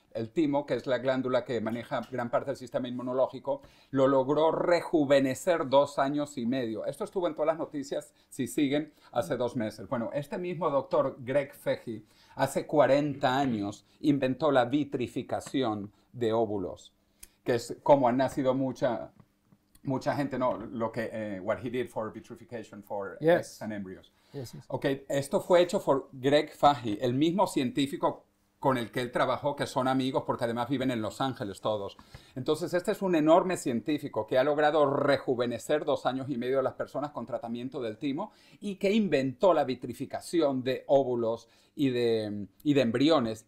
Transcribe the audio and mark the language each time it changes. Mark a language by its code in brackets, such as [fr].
[es] El timo, que es la glándula que maneja gran parte del sistema inmunológico, lo logró rejuvenecer 2 años y medio. Esto estuvo en todas las noticias, si siguen, hace 2 meses. Bueno, este mismo doctor Greg Fahy, hace 40 años, inventó la vitrificación de óvulos, que es como han nacido mucha gente, ¿no? Lo que, [en] what he did for vitrification for eggs and embryos. Yes. [es] Okay, esto fue hecho por Greg Fahy, el mismo científico con el que él trabajó, que son amigos, porque además viven en Los Ángeles todos. Entonces, este es un enorme científico que ha logrado rejuvenecer 2 años y medio a las personas con tratamiento del timo y que inventó la vitrificación de óvulos y de embriones.